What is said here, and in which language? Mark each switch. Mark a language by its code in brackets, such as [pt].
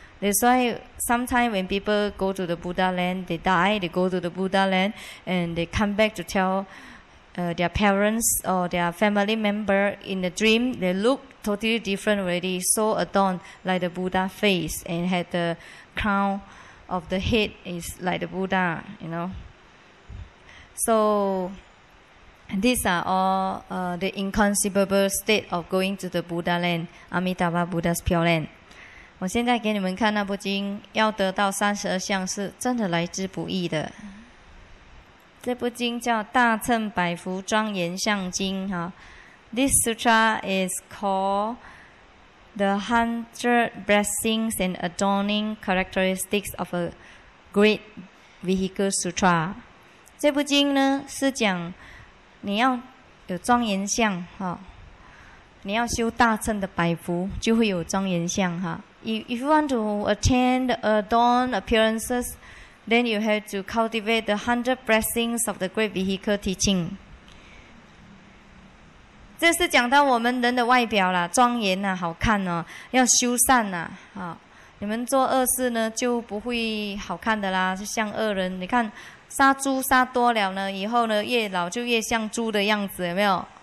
[en] That's why sometimes when people go to the Buddha land, they die, they go to the Buddha land, and they come back to tell their parents or their family member in the dream, they look totally different already, so adorned, like the Buddha face, and had the crown of the head is like the Buddha, you know. So these are all the inconceivable state of going to the Buddha land, Amitabha Buddha's Pure Land. [zh] 我现在给你们看那部经，要得到三十二相是真的来之不易的。这部经叫《大乘百福庄严相经》哈。 [en] This sutra is called The 100 Blessings and Adorning Characteristics of a Great Vehicle Sutra。 [zh] 这部经呢是讲你要有庄严相哈，你要修大乘的百福，就会有庄严相哈。 [en] If you want to attain the adorned appearances, then you have to cultivate the 100 blessings of the Great Vehicle Teaching. [zh] 这是讲到我们人的外表啦，庄严啊，好看哦，要修善啊，好，你们做恶事呢，就不会好看的啦，就像恶人。你看，杀猪杀多了呢，以后呢，越老就越像猪的样子，有没有？